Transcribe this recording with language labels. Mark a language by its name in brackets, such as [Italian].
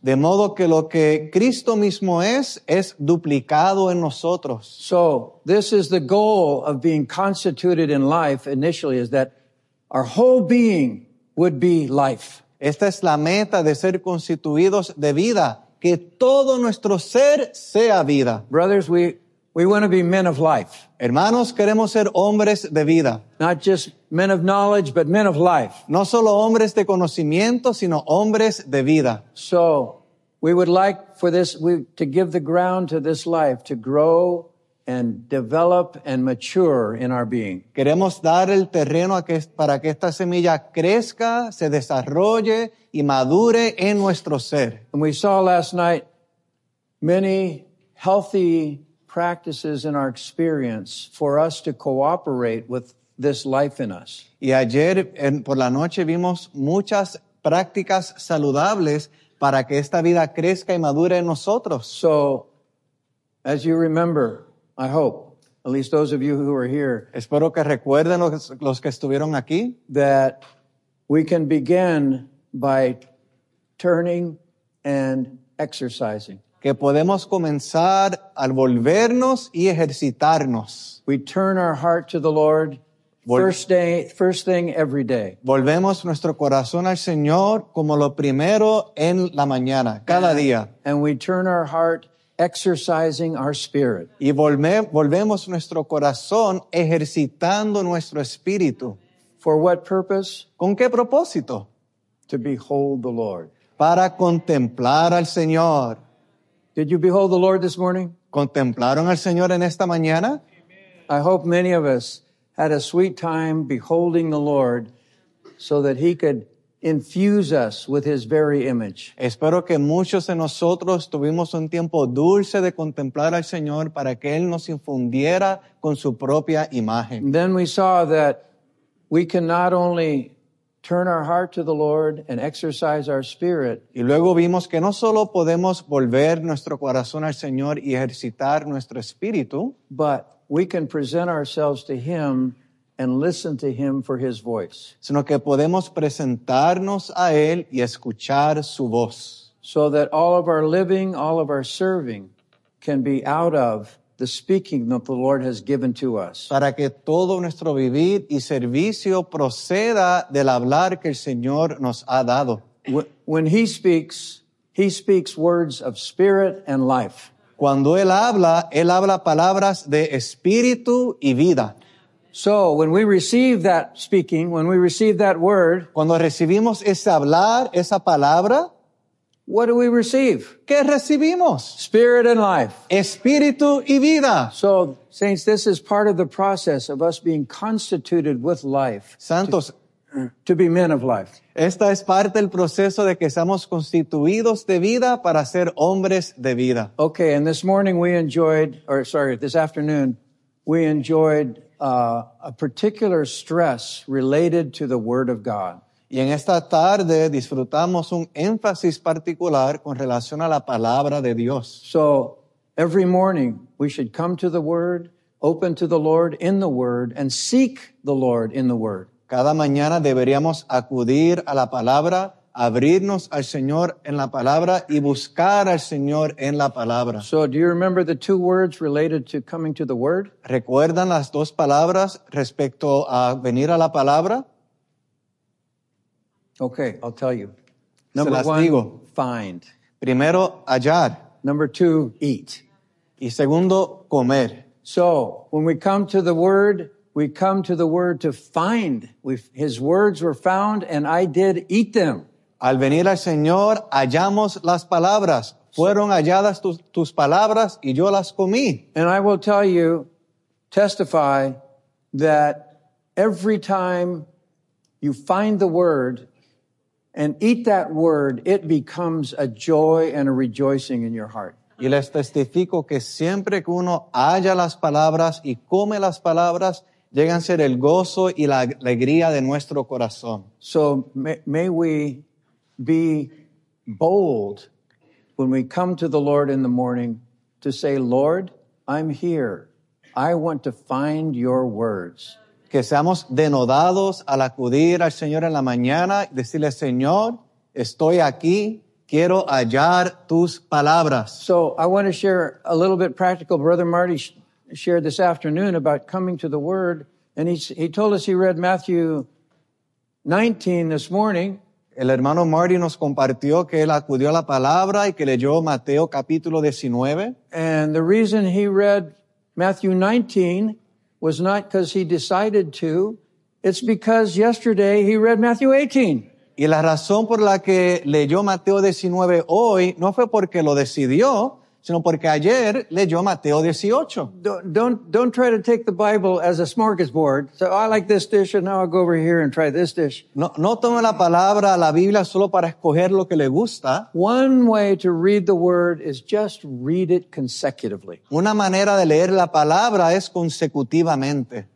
[Spanish] De modo que lo que Cristo mismo es duplicado en nosotros. [English] So this is the goal of being constituted in life initially, is that our whole being would be life. [Spanish] Esta es la meta de ser constituidos de vida, que todo nuestro ser sea vida. [English] Brothers, we want to be men of life. [Spanish] Hermanos, queremos ser hombres de vida. [English] Not just men of knowledge, but men of life. [Spanish] No solo hombres de conocimiento, sino hombres de vida. [English] So, we would like for this, to give the ground to this life to grow and develop and mature in our being. [Spanish] Queremos dar el terreno para que esta semilla crezca, se desarrolle y madure en nuestro ser. [English] And we saw last night many healthy practices in our experience for us to cooperate with this life in us. [Spanish] Y ayer por la noche vimos muchas prácticas saludables para que esta vida crezca y madure en nosotros. [English] So, as you remember, I hope, at least those of you who are here, [Spanish] espero que recuerden los que estuvieron aquí, [English] that we can begin by turning and exercising. [Spanish] Que podemos comenzar al volvernos y ejercitarnos. [English] We turn our heart to the Lord first thing every day. [Spanish] Volvemos nuestro corazón al Señor como lo primero en la mañana, cada día. [English] And we turn our heart exercising our spirit. [Spanish] Y volvemos nuestro corazón ejercitando nuestro espíritu. [English] For what purpose? [Spanish] ¿Con qué propósito? [English] To behold the Lord. [Spanish] Para contemplar al Señor. [English] Did you behold the Lord this morning? [Spanish] contemplaron al Señor en esta mañana? [English] I hope many of us had a sweet time beholding the Lord so that he could infuse us with his very image. [Spanish] Espero que muchos de nosotros tuvimos un tiempo dulce de contemplar al Señor para que él nos infundiera con su propia imagen. [English] Then we saw that we can not only turn our heart to the Lord and exercise our spirit. [Spanish] Y luego vimos que no solo podemos volver nuestro corazón al Señor y ejercitar nuestro espíritu, [English] but we can present ourselves to him and listen to him for his voice. [Spanish] Sino que podemos presentarnos a él y escuchar su voz. [English] So that all of our living, all of our serving can be out of the speaking that the Lord has given to us. [Spanish] Para que todo nuestro vivir y servicio proceda del hablar que el Señor nos ha dado. [English] When he speaks words of spirit and life. [Spanish] Cuando él habla palabras de espíritu y vida. [English] So, when we receive that speaking, when we receive that word, [Spanish] cuando recibimos ese hablar, esa palabra, [English] what do we receive? [Spanish] ¿Qué recibimos? [English] Spirit and life. [Spanish] Espíritu y vida. [English] So, saints, this is part of the process of us being constituted with life. [Spanish] Santos. [English] To be men of life. [Spanish] Esta es parte del proceso de que seamos constituidos de vida para ser hombres de vida. [English] Okay, and this morning we enjoyed, or sorry, this afternoon, we enjoyed a particular stress related to the Word of God. [Spanish] Y en esta tarde disfrutamos un énfasis particular con relación a la palabra de Dios. [English] So, every morning we should come to the Word, open to the Lord in the Word, and seek the Lord in the Word. [Spanish] Cada mañana deberíamos acudir a la palabra, abrirnos al Señor en la palabra y buscar al Señor en la palabra. [English] So, do you remember the two words related to coming to the Word? [Spanish] ¿Recuerdan las dos palabras respecto a venir a la palabra? [English] Okay, I'll tell you. Number one, [Spanish] digo. [English] Find. [Spanish] Primero, hallar. [English] Number two, eat. [Spanish] Y segundo, comer. [English] So, when we come to the Word, we come to the Word to find. His words were found and I did eat them. [Spanish] Al venir al Señor, hallamos las palabras. Fueron halladas tus palabras y yo las comí. [English] And I will tell you, testify, that every time you find the Word and eat that Word, it becomes a joy and a rejoicing in your heart. [Spanish] Y les testifico que siempre que uno halla las palabras y come las palabras, llegan a ser el gozo y la alegría de nuestro corazón. [English] So may we be bold when we come to the Lord in the morning to say, Lord, I'm here. I want to find your words. [Spanish] Que seamos denodados al acudir al Señor en la mañana y decirle, Señor, estoy aquí. Quiero hallar tus palabras. [English] So I want to share a little bit practical, Brother Marty shared this afternoon about coming to the Word, and he told us he read Matthew 19 this morning. [Spanish] El hermano Marty nos compartió que él acudió a la palabra y que leyó Mateo capítulo 19. [English] And the reason he read Matthew 19 was not because he decided to, it's because yesterday he read Matthew 18. [Spanish] Y la razón por la que leyó Mateo 19 hoy no fue porque lo decidió, sino porque ayer leyó Mateo 18. [English] Don't try to take the Bible as a smorgasbord. So I like this dish and now I'll go over here and try this dish. [Spanish] No tome la palabra, la Biblia, solo para escoger lo que le gusta. [English] One way to read the Word is just read it consecutively. [Spanish] Una manera de leer la palabra es consecutivamente.